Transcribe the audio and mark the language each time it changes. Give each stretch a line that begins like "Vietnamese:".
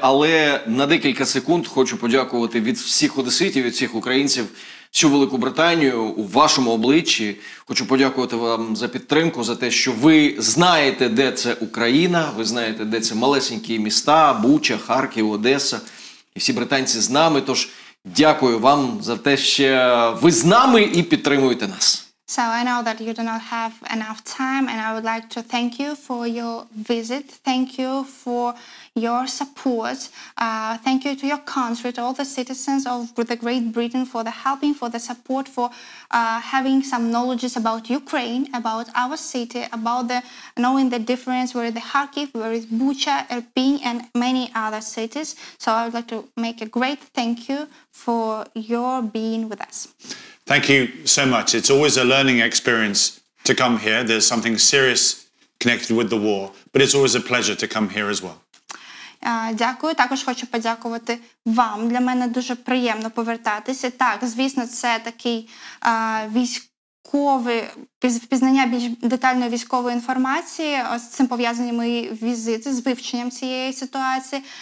Ukrainian: Але на декілька секунд хочу подякувати від всіх одеситів, від всіх українців, всю Велику Британію у вашому обличчі. Хочу подякувати вам за підтримку, за те, що ви знаєте, де це Україна, ви знаєте, де це малесенькі міста, Буча, Харків, Одеса. І всі британці з нами, тож дякую вам за те, що ви з нами і підтримуєте нас.
English: So I know that you do not have enough time, and I would like to thank you for your visit. Thank you for your support. Thank you to your country, to all the citizens of the Great Britain for the helping, for the support, for having some knowledge about Ukraine, about our city, about the knowing the difference where the Kharkiv, where is Bucha, Irpin, and many other cities. So I would like to make a great thank you for your being with us. Thank you so much. It's always a learning experience to come here. There's something serious connected with the war, but it's always a pleasure to come here as well.
Ukrainian: Дякую. Також хочу подякувати вам. Для мене дуже приємно повертатися. Так, звісно, це такий військовий, пізнання більш детальної військової інформації. Ось цим пов'язані мої візити з вивченням цієї ситуації.